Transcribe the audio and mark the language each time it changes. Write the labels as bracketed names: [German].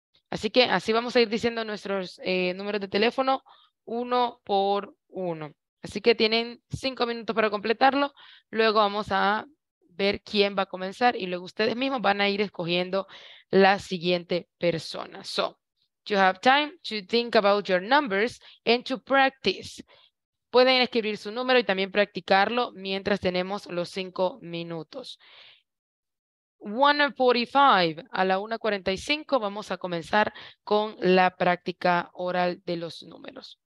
[Spanish] Así que así vamos a ir diciendo nuestros números de teléfono uno por uno. Así que tienen 5 minutos para completarlo. Luego vamos a ver quién va a comenzar y luego ustedes mismos van a ir escogiendo la siguiente persona. [English] So, you have time to think about your numbers and to practice. [Spanish] Pueden escribir su número y también practicarlo mientras tenemos los 5 minutos. 1:45, a la 1:45 vamos a comenzar con la práctica oral de los números.